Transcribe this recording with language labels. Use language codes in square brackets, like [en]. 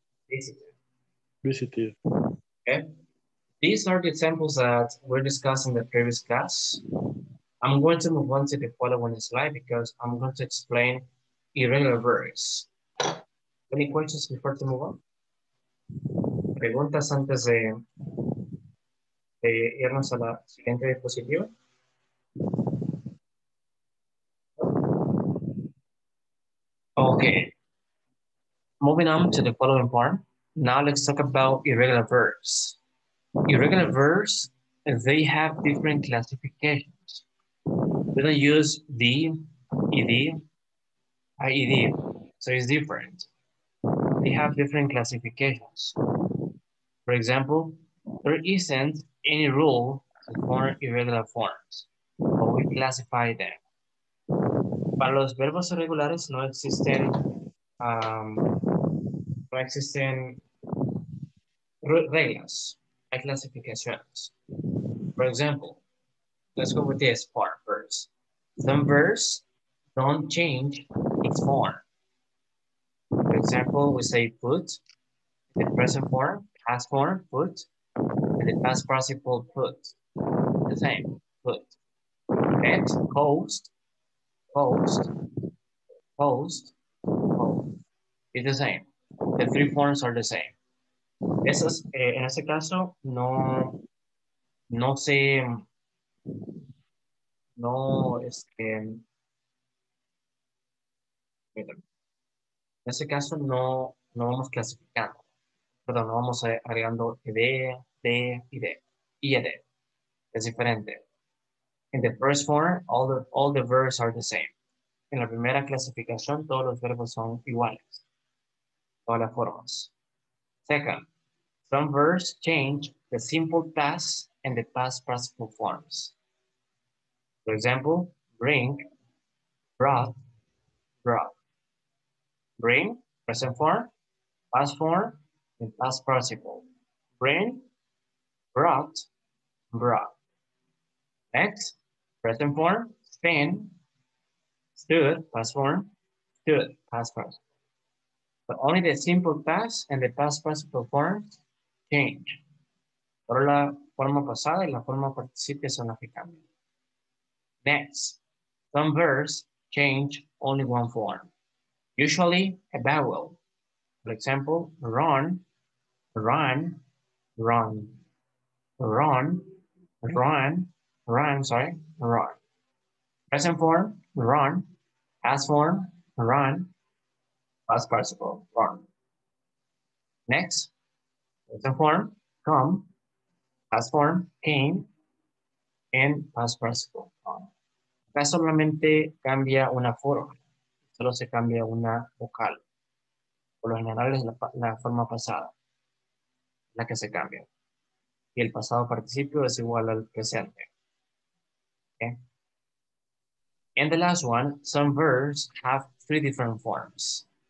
[en] Visitor. Visitor. Okay. These are the examples that we're discussing in the previous class. I'm going to move on to the following slide because I'm going to explain irregular verbs. Any questions before to move on? [es] ¿Preguntas antes de irnos a la siguiente diapositiva? [en] Okay. Moving on to the following part. Now let's talk about irregular verbs. Irregular verbs and they have different classifications. We're gonna use the, ed, ied, so it's different. They have different classifications. For example, there isn't any rule for irregular forms, but we classify them. [es] Para los verbos irregulares no existen, no existen reglas, hay clasificaciones. [en] For example, let's go with this part first. Some verbs don't change its form. For example, we say put, the present form, past form, put, and the past participle, put. The same, put. Next, post, post, post, post. It's the same. The three forms are the same. [es] Esos, en este caso, no, no se, no, este, en este caso no, no vamos clasificando, perdón, no vamos agregando ed, d, id, ied, es diferente. [en] In the first form, all the verbs are the same. [es] En la primera clasificación, todos los verbos son iguales, todas las formas. [en] Second, some verbs change the simple past and the past participle forms. For example, bring, brought, brought. Bring, present form, and past participle. Bring, brought, brought. Next, present form, stand, stood, past participle. But only the simple past and the past participle forms change. [es] Solo la forma pasada y la forma participe son las que cambian. [en] Next, some verbs change only one form. Usually a vowel. For example, run, run, run, run, run, run, sorry, run. Present form, run, past form, run, past participle, run. Next, present form, come, past form, came, and past participle, come. [es] Acá solamente cambia una forma. Solo se cambia una vocal. Por lo general es la forma pasada, la que se cambia. Y el pasado participio es igual al presente. [en] Okay. And the last one, some verbs have three different forms.